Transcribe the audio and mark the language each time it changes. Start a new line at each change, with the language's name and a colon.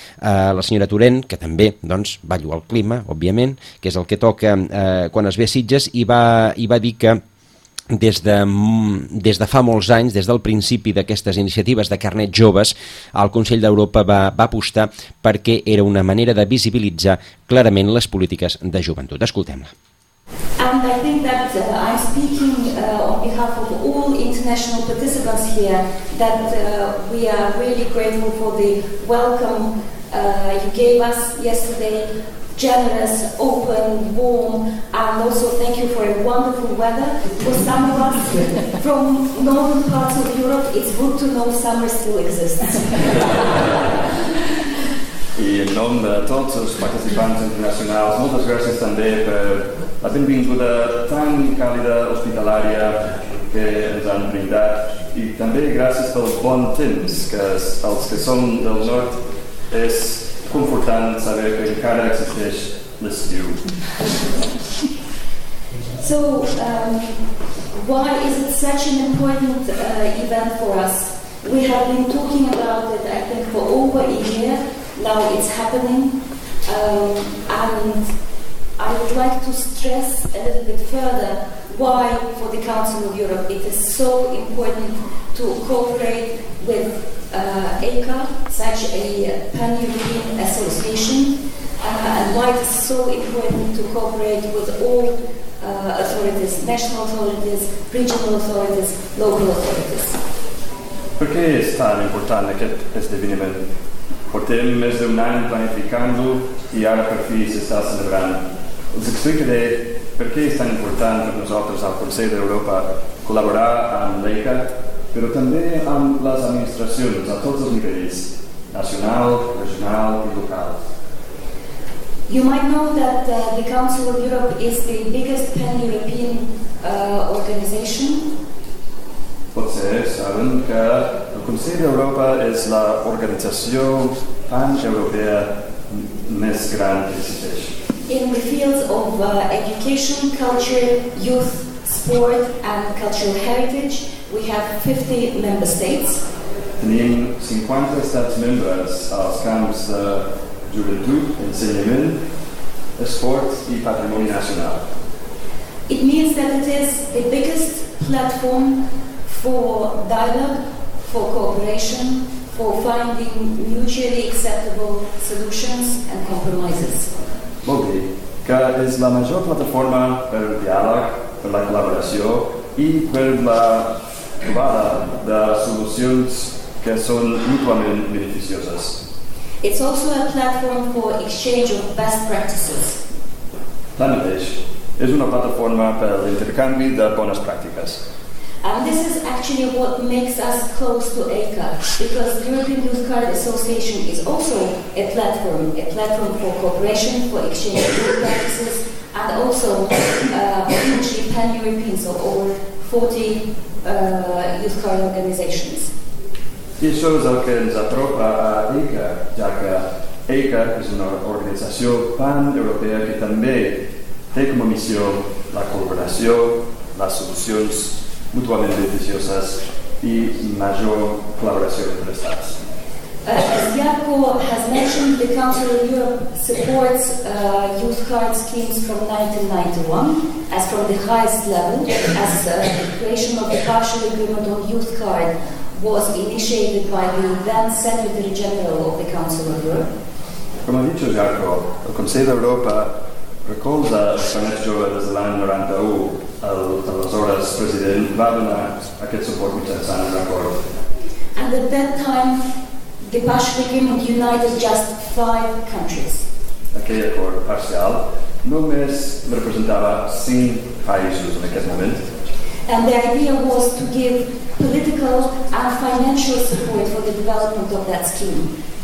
Catalan: La senyora Torrent, que també doncs, va lluar el clima, òbviament, que és el que toca quan es ve a Sitges, i va dir que des de fa molts anys, des del principi d'aquestes iniciatives de carnet joves, el Consell d'Europa va apostar perquè era una manera de visibilitzar clarament les polítiques de joventut. Escoltem-la.
English: And I think that I'm speaking on behalf of all international participants here, that we are really grateful for the welcome you gave us yesterday, generous, open, warm, and also thank you for a wonderful weather. For some of us from northern parts of Europe, it's good to know summer still exists.
Catalan: I en nom de tots els participants internacionals, moltes gràcies també per la benvinguda tan càlida, hospitalària, que ens han brindat. I també gràcies pel bon temps, que els que som del nord és confortant saber que encara existeix l'estiu.
English: So, why is it such an important event for us? We have been talking about it, I think, for over a year. Now it's happening, and I would like to stress a little bit further why for the Council of Europe it is so important to cooperate with ACA, such a pan-European association, and why it is so important to cooperate with all authorities, national authorities, regional authorities, local authorities.
Catalan: Per què és tan important aquest esdeveniment? Portem més d'un any planificant-ho i ara per fi s'està celebrant. Us explicaré per què és tan important per nosaltres al Consell d'Europa col·laborar amb l'EICA, però també amb les administracions a tots els nivells, nacional, regional i local.
English: You might know that the Council of Europe is the biggest pan-European organization.
Catalan: Potser saben que el Consell d'Europa és la organització pan-europea més gran que existeix.
English: In the fields of education, culture, youth, sport and cultural heritage, we have 50 member states.
Catalan: Tenim 50 estats membres als camps de joventut, ensenyament, esport i patrimoni nacional.
English: It means that it is the biggest platform for dialogue, for cooperation, for finding mutually acceptable solutions and compromises.
Catalan: Vol dir que és la major plataforma per diàleg, per la col·laboració i per la trobada de solucions que són mútuament beneficioses.
English: It's also a platform for exchange of best practices.
Catalan: Tanmateix, és una plataforma per l'intercanvi de bones pràctiques.
English: And this is actually what makes us close to EICA, because the European Youth Card Association is also a platform for cooperation, for exchange of good practices, and also potentially pan-European, so over 40 youth card organizations.
Catalan: I això és el que ens apropa a EICA, ja que EICA és una organització pan-europea que també té com a missió la col·laboració, les solucions mútuament beneficioses i major col·laboració entre estats.
English: As Jaco has mentioned, the Council of Europe supports youth card schemes from 1991 as from the highest level, as the creation of the partial agreement on youth card was initiated by the then Secretary General of the Council of Europe.
Catalan: Com ha dit Jaco, el Consell d'Europa recolza els panets joves des de l'any 91. Aleshores, president, va donar aquest suport mitjançant un acord.
English: And at that time, the partial agreement united just 5 countries.
Catalan: Aquell acord parcial només representava 5 països en aquest moment.
English: And the idea was to give political and financial support for the development of that scheme.